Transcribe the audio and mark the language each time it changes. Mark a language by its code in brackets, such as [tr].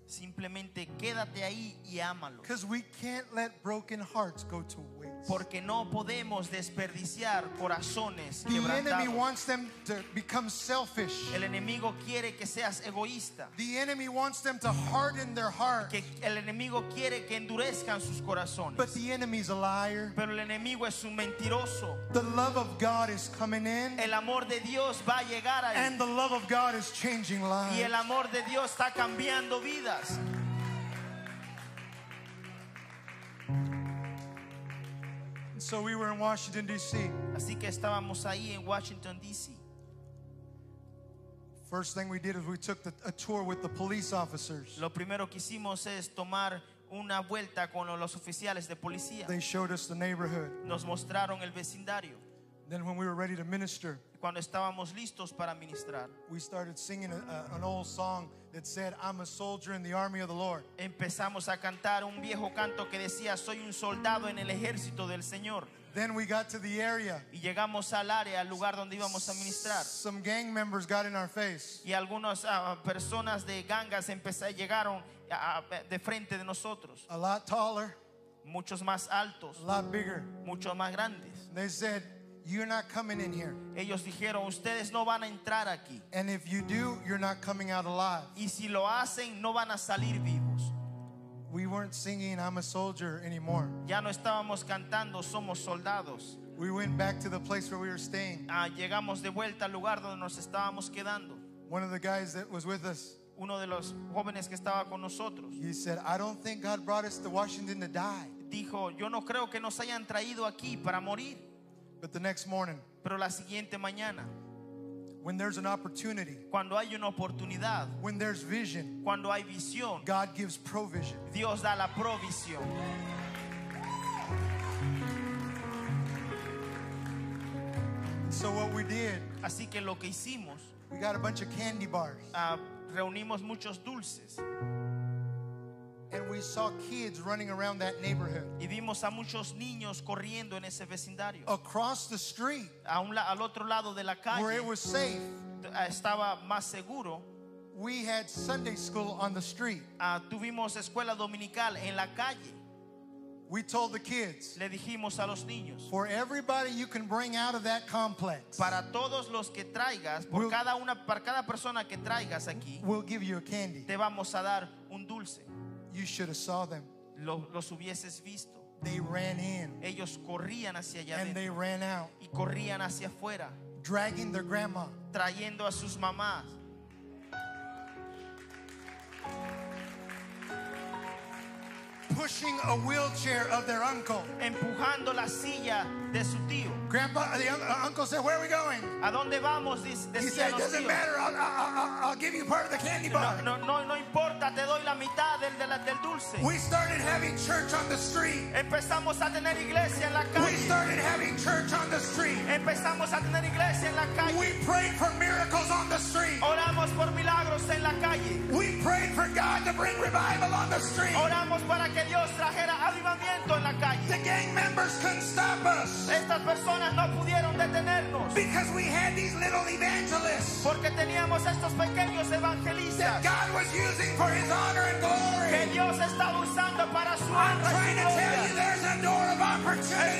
[es] Simplemente quédate ahí y ámalos. [en] Because we can't let broken hearts go to waste. [es] Porque no podemos desperdiciar corazones quebrantados. [en] The enemy wants them to become selfish. [es] El enemigo quiere que seas egoísta. [en] The enemy wants them to harden their heart. [es] Que el enemigo quiere que endurezcan sus corazones. [en] But the enemy's a liar. [es] Pero el enemigo es un mentiroso. [en] The love of God is coming in. [es] El amor de Dios va a llegar ahí. [en] And the love of God is changing lives. [es] Y el amor de Dios está cambiando vidas. [en] So we were in Washington D.C. [es] Así que estábamos ahí en Washington D.C. [en] First thing we did is we took a tour with the police officers. [es] Lo primero que hicimos es tomar una vuelta con los oficiales de policía. [en] They showed us the neighborhood. [es] Nos mostraron el vecindario. [en] Then when we were ready to minister, [es] cuando estábamos listos para ministrar, [en] we started singing an old song that said, "I'm a soldier in the army of the Lord." [es] Empezamos a cantar un viejo canto que decía, "Soy un soldado en el ejército del Señor." [en] Then we got to the area. [es] Y llegamos al área, al lugar donde íbamos a ministrar. [en] Some gang members got in our face. [es] Y algunas personas de gangas llegaron de frente de nosotros. [en] A lot taller. [es] Muchos más altos. [en] A lot bigger. [es] Muchos más grandes. [en] They said, "You're not coming in here." [es] Ellos dijeron, ustedes no van a entrar aquí. [en] "And if you do, you're not coming out alive." [es] Y si lo hacen, no van a salir vivos. [en] We weren't singing, "I'm a soldier" anymore. [es] Ya no estábamos cantando, "Somos soldados." [en] We went back to the place where we were staying. [es] Llegamos de vuelta al lugar donde nos estábamos quedando. [en] One of the guys that was with us, [es] uno de los jóvenes que estaba con nosotros, [en] he said, "I don't think God brought us to Washington to die." [es] Dijo, yo no creo que nos hayan traído aquí para morir. [en] But the next morning, [es] pero la siguiente mañana, [en] when there's an opportunity, [es] cuando hay una oportunidad, [en] when there's vision, [es] cuando hay visión, [en] God gives provision. [es] Dios da la provisión. [en] So what we did, [es] así que lo que hicimos, [en] we got a bunch of candy bars. [es] Reunimos muchos dulces. [en] And we saw kids running around that neighborhood. [es] Y vimos a muchos niños corriendo en ese vecindario. [en] Across the street, [es] al otro lado de la calle, [en] where it was safe, [es] estaba más seguro. [en] We had Sunday school on the street. [es] Tuvimos escuela dominical en la calle. [en] We told the kids, [es] le dijimos a los niños, [en] "For everybody you can bring out of that complex, [es] para todos los que traigas, por cada persona que traigas aquí, [en] we'll give you a candy. [es] Te vamos a dar un dulce." [en] You should have saw them. [es] Los hubieses visto. [en] They ran in. [es] Ellos corrían hacia allá. [en] And they ran out. [es] Y corrían hacia afuera. [en] Dragging their grandma. [es] Trayendo a sus mamás. [en] Pushing a wheelchair of their uncle. [es] Empujando la silla de su tío. [en] Grandpa, the uncle said, "Where are we going?" [es] ¿A dónde vamos?, decía los tíos. [en] He said, "It doesn't matter. I'll give you part of the candy bar." [es] No importa. Te doy la mitad del dulce. [en] We started having church on the street. [es] Empezamos a tener iglesia en la calle. [en] We started having church on the street. [es] Empezamos a tener iglesia en la calle. [en] We prayed for miracles on the street. [es] Oramos por milagros en la calle. [en] We prayed for God to bring revival on the street. [es] Oramos para que Dios trajera avivamiento en la calle. [en] The gang members couldn't stop us. [es] Estas personas no pudieron detenernos. [en] Because we had these little evangelists. [es] Porque teníamos estos pequeños evangelistas. [en] That God was using for His honor and glory. [es] Que Dios estaba usando para su honra y gloria. [en] I'm trying to tell you, there's a door of opportunity.